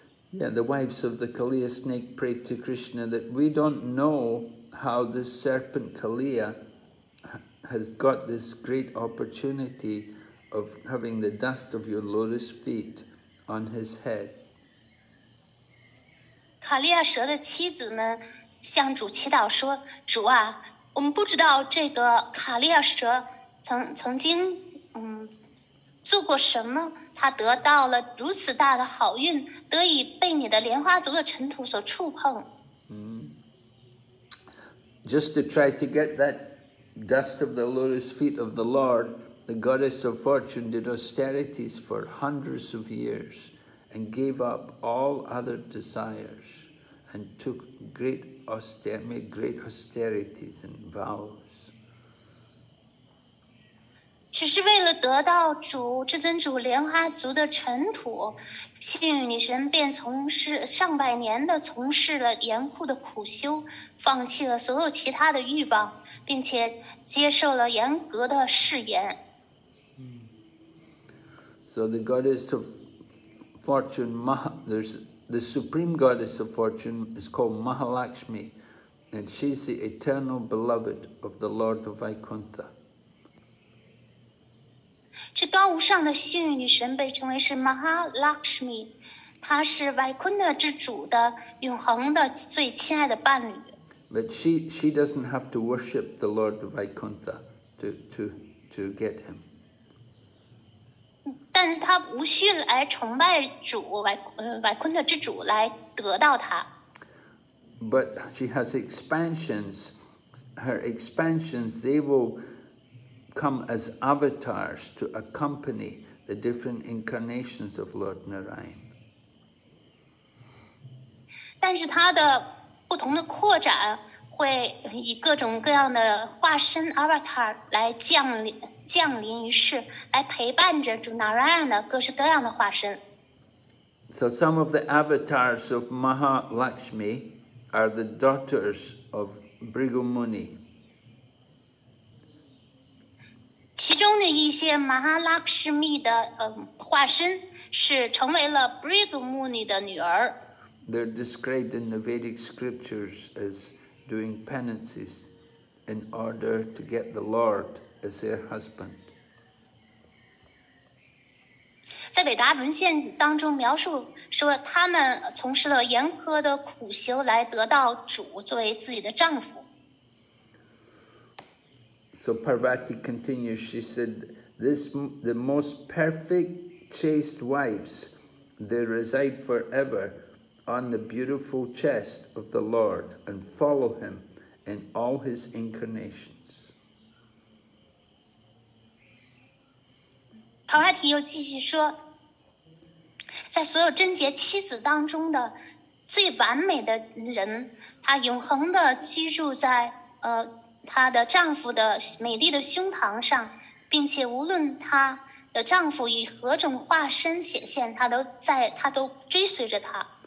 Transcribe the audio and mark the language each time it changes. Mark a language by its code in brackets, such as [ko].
[en] Yeah, the wives of the Kaliya snake prayed to Krishna that we don't know how this serpent Kaliya. Has got this great opportunity of having the dust of your lotus feet on his head. [zh] 卡利亚蛇的妻子们向主祈祷说：“主啊，我们不知道这个卡利亚蛇曾经做过什么，他得到了如此大的好运，得以被你的莲花族的尘土所触碰。” [en] Just to try to get that. Dust of the lotus feet of the Lord, the goddess of fortune did austerities for hundreds of years and gave up all other desires and took great austerities and vows. [zh] 只是为了得到主至尊主莲花族的尘土，幸运女神便从事上百年的从事了严酷的苦修，放弃了所有其他的欲望，并且接受了严格的誓言。 [en] So the goddess of fortune, the supreme goddess of fortune is called Mahalakshmi, and she's the eternal beloved of the Lord of Vaikuntha. [zh] 这高无上的幸运女神被称为是 Mahalakshmi, 她是 Vaikuntha 之主的永恒的最亲爱的伴侣。 [en] But she doesn't have to worship the Lord of Vaikuntha to get him. [zh] 但是他无需来崇拜主外坤特之主来得到他。 [en] But she has expansions. Her expansions, they will come as avatars to accompany the different incarnations of Lord Narayan. [zh] 但是他的不同的扩展会以各种各样的化身 avatar 来降临于世，来陪伴着主 Narayan 的各式各样的化身。 [en] So some of the avatars of Mahalakshmi are the daughters of Bhrigu Muni. [zh] 其中的一些 Mahalakshmi 的化身是成为了 Bhrigu Muni 的女儿。 [en] They're described in the Vedic scriptures as doing penances in order to get the Lord. As their husband. [zh] 在伟达文献当中描述说，他们从事了严苛的苦修来得到主作为自己的丈夫。 [en] So Parvati continues, she said, "This the most perfect chaste wives, they reside forever on the beautiful chest of the Lord and follow Him in all His incarnations." [zh] Parvati 又继续说，在所有贞洁妻子当中的最完美的人，她永恒地居住在她的丈夫的美丽的胸膛上，并且无论她的丈夫以何种化身显现，她都追随着她。